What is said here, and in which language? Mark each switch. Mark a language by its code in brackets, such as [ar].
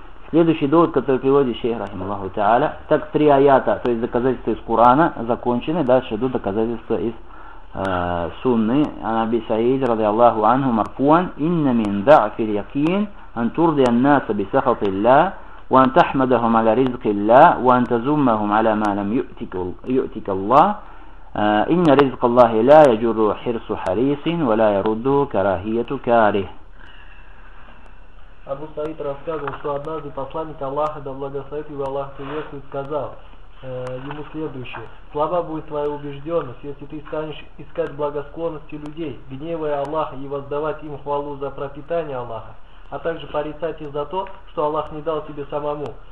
[ru] Следующий довод, который приводит шейх, рахималлаху тааля. Так, три аята, то есть доказательства из Курана, закончены. Дальше идут доказательства из Сунны. [ar] «Анаби Саид, ради Аллаху анху, марфуан, инна мин дааф ил-якин, ан турди ан-наса бисахат илля, وأن تحمدهم على رزق الله وأن تزمهم على ما لم يؤتك الله إن رزق الله لا يجر حرص حريص ولا يرده كراهية كاره. [ru] Абу Саид рассказывал, что однажды посланник Аллаха, да благословит его Аллах приветствует, сказал ему следующее: «Слаба будет твоя убежденность, если ты станешь искать благосклонности людей, гневая Аллаха и воздавать им хвалу за пропитание Аллаха, а также порицать их за то, что Аллах не дал тебе самому.